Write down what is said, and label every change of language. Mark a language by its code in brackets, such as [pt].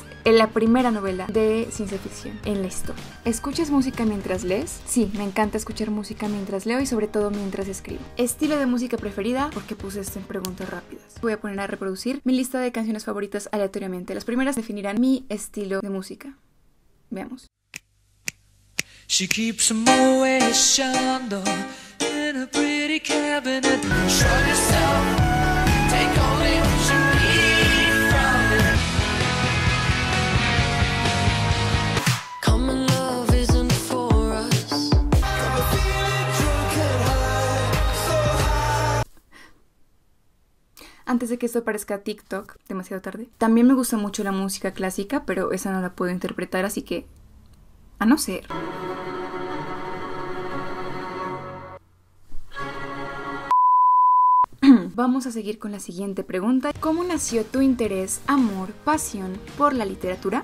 [es] Es la primera novela de ciencia ficción en la historia. ¿Escuchas música mientras lees? Sí, me encanta escuchar música mientras leo y sobre todo mientras escribo. ¿Estilo de música preferida? Porque puse esto en preguntas rápidas. Voy a poner a reproducir mi lista de canciones favoritas aleatoriamente. Las primeras definirán mi estilo de música. Veamos. [en] She keeps a Moët Chandon in a pretty cabinet. Show yourself, take only what you need from it. Common love isn't for us. I'm feeling drunk and high, so high. [es] Antes de que esto parezca TikTok, demasiado tarde. También me gusta mucho la música clásica, pero esa no la puedo interpretar, así que a no ser. Vamos a seguir con la siguiente pregunta. ¿Cómo nació tu interés, amor, pasión por la literatura?